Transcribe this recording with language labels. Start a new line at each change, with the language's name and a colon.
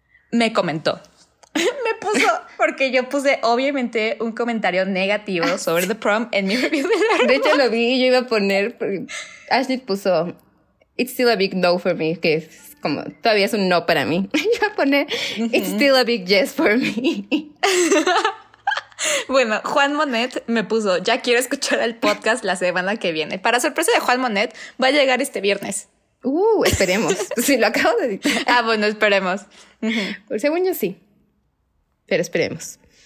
Spanish: Me comentó. Me puso, porque yo puse obviamente un comentario negativo sobre The Prom en mi review de Letterboxd. De hecho, lo vi y yo iba a poner. Ashley puso.
English: It's still a big no for me,
Spanish: que es como todavía es un no para mí. Yo voy a poner, uh-huh.
English: It's still a big yes for me.
Spanish: Bueno, Juan Monet me puso, ya quiero escuchar el podcast la semana que viene. Para sorpresa de Juan Monet, va a llegar este viernes. Esperemos. Sí, lo acabo de editar. Ah, bueno, esperemos. Uh-huh. Según yo, sí. Pero esperemos.